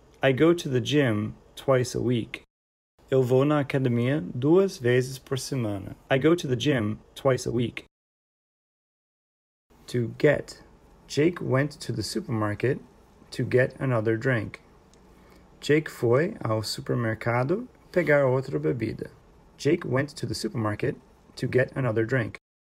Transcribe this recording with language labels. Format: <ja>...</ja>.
<en>I go to the gym twice a week.</en> <pt>Eu vou na academia duas vezes por semana.</pt> <en>I go to the gym twice a week. To get. Jake went to the supermarket to get another drink.</en> <pt>Jake foi ao supermercado pegar outra bebida.</pt> <en>Jake went to the supermarket to get another drink.</en>